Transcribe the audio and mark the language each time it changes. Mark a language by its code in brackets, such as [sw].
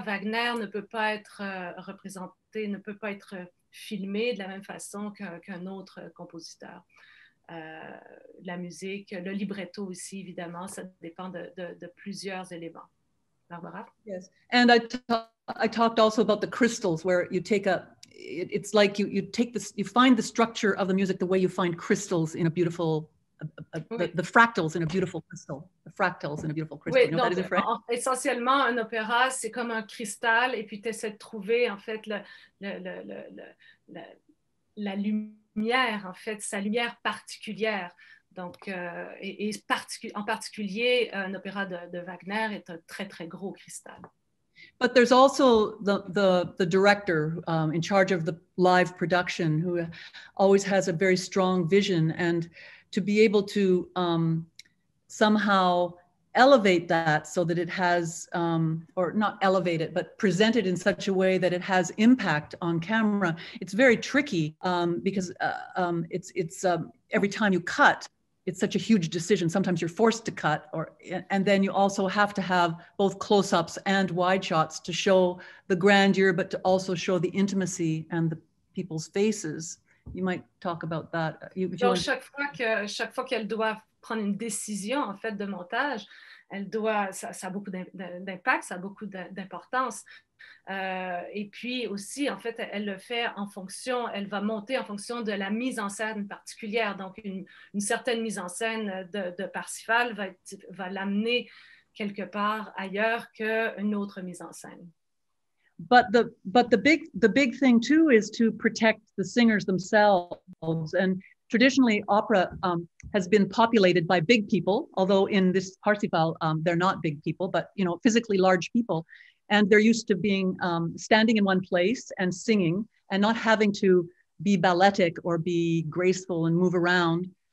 [fr] Wagner ne peut pas être représenté, ne peut pas être filmé de la même façon qu'un autre compositeur. La musique, le libretto aussi, évidemment, ça dépend de plusieurs éléments. Barbara? [en] Yes, and I talked also about the crystals, where you take it's like you take this, you find the structure of the music the way you find crystals in a beautiful, the fractals in a beautiful crystal, the fractals in a beautiful crystal. [fr] Oui, donc, essentiellement, un opéra, c'est comme un cristal, et puis tu essaies de trouver, en fait, la lumière, en fait, sa lumière particulière. Donc, en particulier, un opéra de Wagner est un très, très gros cristal. [en] But there's also the director in charge of the live production, who always has a very strong vision, and to be able to somehow elevate that so that it has, or not elevate it, but present it in such a way that it has impact on camera. It's very tricky because every time you cut, it's such a huge decision. Sometimes you're forced to cut, and then you also have to have both close-ups and wide shots to show the grandeur, but to also show the intimacy and the people's faces. You might talk about that. [fr] Chaque fois qu'elle doit prendre une décision en fait de montage, elle doit, ça a beaucoup d'impact, ça a beaucoup d'importance. Et puis aussi, en fait, elle le fait en fonction, elle va monter en fonction de la mise en scène particulière. Donc, une certaine mise en scène de Parsifal va l'amener quelque part ailleurs qu'une autre mise en scène. [en] But the big thing too is to protect the singers themselves. And traditionally, opera has been populated by big people, although in this Parsifal, they're not big people, but, you know, physically large people. And they're used to being standing in one place and singing and not having to be balletic or be graceful and move around.